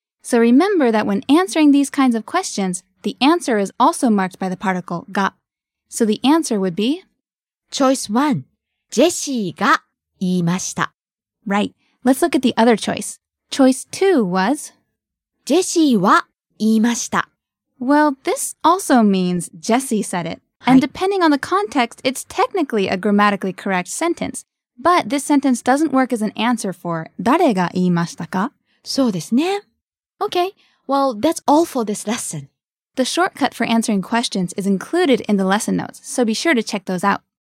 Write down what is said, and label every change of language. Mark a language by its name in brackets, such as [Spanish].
[English] So remember that when answering these kinds of questions, the answer is also marked by the particle が. So the answer would be Choice 1. [Japanese] ジェシーが言いました. [English] Right. Let's look at the other choice. Choice 2 was [Japanese] ジェシーは言いました. [English] Well, this also means Jesse said it. And depending on the context, it's technically a grammatically correct sentence. But this sentence doesn't work as an answer for [Japanese] 誰が言いましたか? そうですね。 [English] Okay, well, that's all for this lesson. The shortcut for answering questions is included in the lesson notes, so be sure to check those out.